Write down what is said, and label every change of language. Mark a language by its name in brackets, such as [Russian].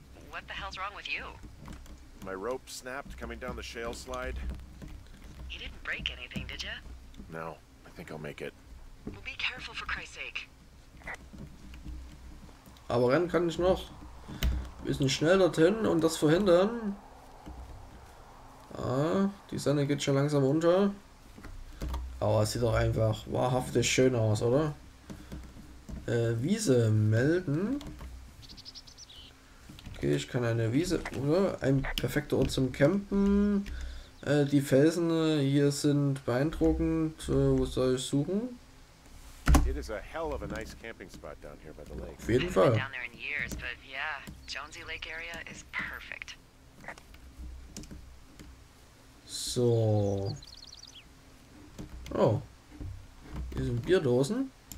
[English] What the hell's wrong with you? My rope snapped coming down the shale slide. You didn't break anything, did you? No, I think I'll make it. Well, be careful for Christ's sake. [German] Aber rennen kann ich noch. Wir müssen schnell dorthin und das verhindern. Ah, die Sonne geht schon langsam unter. Aber es sieht doch einfach wahrhaftig schön aus, oder? Wiese melden. Okay, ich kann eine Wiese, oder? Ein perfekter Ort zum Campen. Die Felsen hier sind beeindruckend. Wo soll ich suchen? [English] It is a hell of a nice camping spot down here by the lake. [German] Auf jeden [English] I haven't been down there in years, but yeah, Jonesy Lake area is perfect. [German] So. Oh. Hier sind Bierdosen.